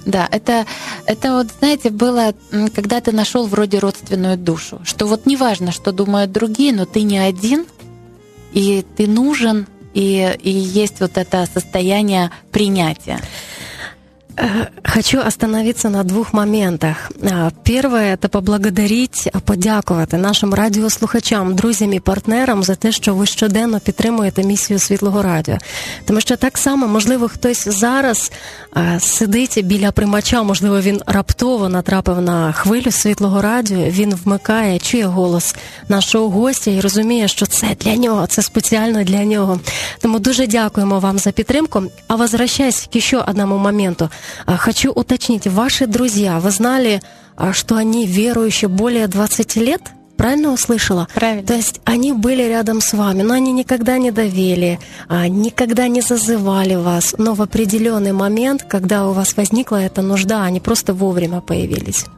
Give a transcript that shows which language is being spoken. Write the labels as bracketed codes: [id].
[ru] Да, это вот, знаете, было, когда ты нашел вроде родственную душу, что вот неважно, что думают другие, но ты не один, и ты нужен, и есть вот это состояние принятия. Хочу остановиться на двух моментах. Первое — это поблагодарить, [uk] подякувати нашим радіослухачам, друзям і партнерам за те, що ви щоденно підтримуєте місію Світлого Радіо. Тому що так само, можливо, хтось зараз сидить біля приймача, можливо, він раптово натрапив на хвилю Світлого Радіо, він вмикає, чує голос нашого гостя і розуміє, що це для нього, це спеціально для нього. Тому дуже дякуємо вам за підтримку. [ru] А возвращаясь ще одному моменту, хочу уточнить, ваши друзья, вы знали, что они верующие более 20 лет? правильно услышала? Правильно. То есть они были рядом с вами, но они никогда не давили, никогда не зазывали вас, но в определенный момент, когда у вас возникла эта нужда, они просто вовремя появились.